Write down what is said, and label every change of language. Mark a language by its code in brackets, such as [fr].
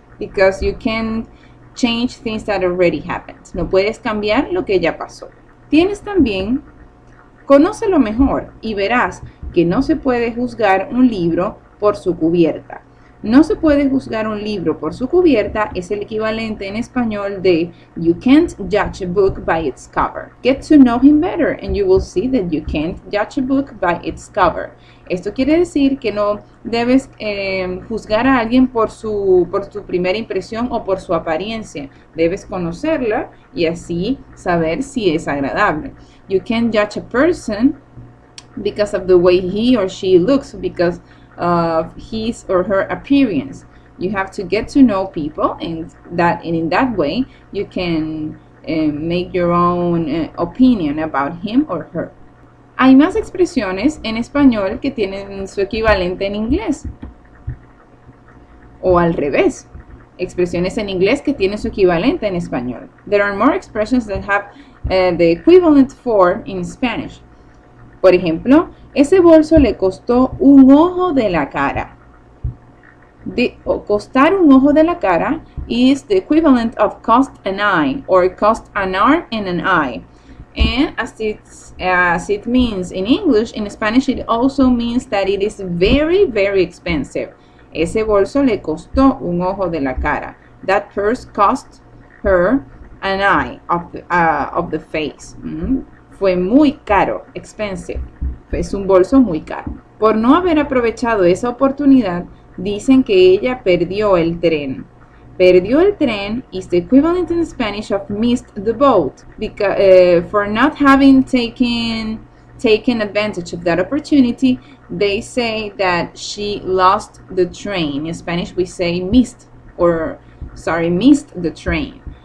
[en] Because you can't change things that already happened. [es] No puedes cambiar lo que ya pasó. Tienes también, conócelo mejor y verás que no se puede juzgar un libro por su cubierta. No se puede juzgar un libro por su cubierta es el equivalente en español de you can't judge a book by its cover. [en] Get to know him better and you will see that you can't judge a book by its cover. [es] Esto quiere decir que no debes juzgar a alguien por su primera impresión o por su apariencia. Debes conocerla y así saber si es agradable. [en] You can't judge a person because of the way he or she looks, because of his or her appearance. You have to get to know people and in that way you can make your own opinion about him or her. [es] Hay más expresiones en español que tienen su equivalente en inglés. O al revés. Expresiones en inglés que tienen su equivalente en español. [en] There are more expressions that have the equivalent form in Spanish. [es] Por ejemplo, ese bolso le costó un ojo de la cara. [en] Costar un ojo de la cara is the equivalent of cost an eye or cost an arm and an eye. And as it means in English, in Spanish it also means that it is very, very expensive. [es] Ese bolso le costó un ojo de la cara. [en] That purse cost her an eye of the face. [es] Mm-hmm. Fue muy caro, expensive. Es un bolso muy caro. Por no haber aprovechado esa oportunidad, dicen que ella perdió el tren. [en] Perdió el tren is the equivalent in Spanish of missed the boat because for not having taken advantage of that opportunity, they say that she lost the train. In Spanish we say missed the train.